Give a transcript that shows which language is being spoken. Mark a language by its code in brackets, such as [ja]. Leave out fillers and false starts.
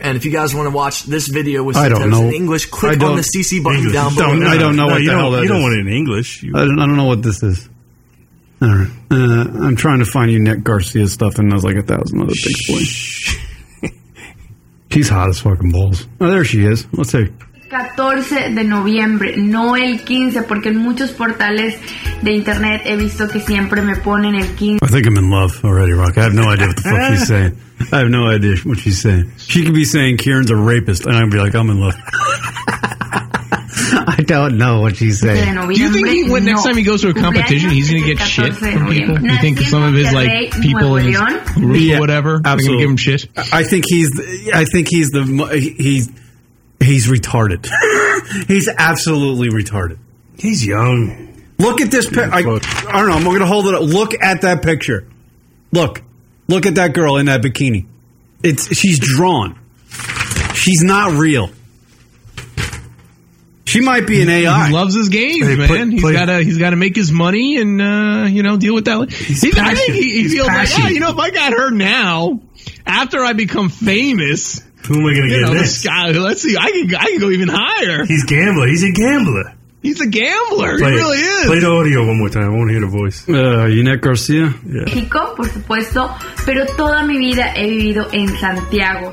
[en] And if you guys want to watch this video with subtitles in English, click on the CC button English. Down below. I don't know what the hell that is. You don't want it in English. I don't know what this is. All right. I'm trying to find you Nick Garcia stuff, and there's like a thousand other things for you. She's hot as fucking balls. Oh, there she is. Let's see. [es] 14 de noviembre, no el 15, porque en muchos portales de internet he visto que siempre me ponen el 15. [en] I think I'm in love already, Rock. I have no idea what the fuck she's saying. I have no idea what she's saying. She could be saying Kieran's a rapist, and I'd be like, I'm in love. I don't know what she's saying. Do you think next time he goes to a competition, he's going to get shit from people? You think some of his, like, people in his group or whatever are going to give him shit? He's retarded. He's absolutely retarded. He's young. Look at this picture. I don't know. I'm going to hold it up. Look at that picture. Look. Look at that girl in that bikini. She's drawn. She's not real. She might be an AI. He loves his games, hey, man. He's got to make his money and you know, deal with that. He feels passionate. Like, oh, you know, if I got her now, after I become famous, who am I going to get this? Let's see. I can go even higher. He's a gambler. He's a gambler. He really is. Play the audio one more time. I want to hear the voice. Yannette Garcia. [es] Yeah. México, por supuesto. Pero toda mi vida he vivido en Santiago.